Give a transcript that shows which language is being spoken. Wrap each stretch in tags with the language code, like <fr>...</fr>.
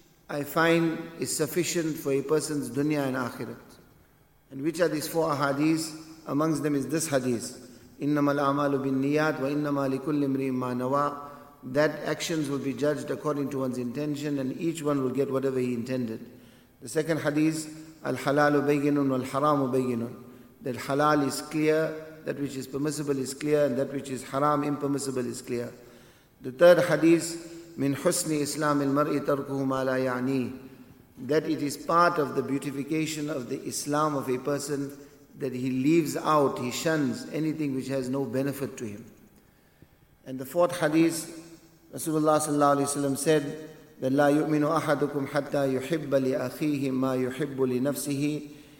<en>I find is sufficient for a person's dunya and akhirat. And which are these four ahadith? Amongst them is this hadith.</en> <ar>إِنَّمَا الْأَعْمَالُ بِالنِّيَاتِ وَإِنَّمَا لِكُلِّ امْرِئٍ مَا نَوَىٰ.</ar> <en>That actions will be judged according to one's intention, and each one will get whatever he intended. The second hadith,</en> <ar>الْحَلَالُ بَيِّنٌ وَالْحَرَامُ بَيِّنٌ.</ar> <en>That halal is clear, that which is permissible is clear, and that which is haram, impermissible is clear. The third hadith,</en> <ar>مِنْ حُسْنِ إِسْلَامِ الْمَرْءِ تَرْكُهُ مَا لَا يَعْنِي.</ar> <en>That it is part of the beautification of the Islam of a person that he leaves out, he shuns anything which has no benefit to him. And the fourth hadith, Rasulullah sallallahu alayhi wa sallam said that</en> <ar>لا يؤمن أحدكم حتى يحب لأخيه ما يحب لنفسه.</ar>